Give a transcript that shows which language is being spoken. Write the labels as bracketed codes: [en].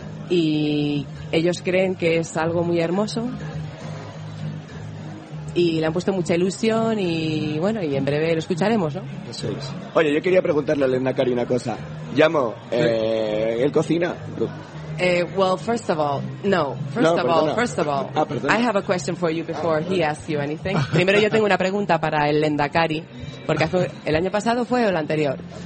[es] Y ellos creen que es algo muy hermoso. Y le han puesto mucha ilusión. Y bueno, y en breve lo escucharemos, ¿no? Sí. Oye, yo quería preguntarle a Lendakari una cosa. Llamo, ¿él cocina? [en] Well, first of all, no. I have a question for you before he asks you anything. [es] Primero yo tengo una pregunta para el Lendakari. Porque el año pasado fue o el anterior.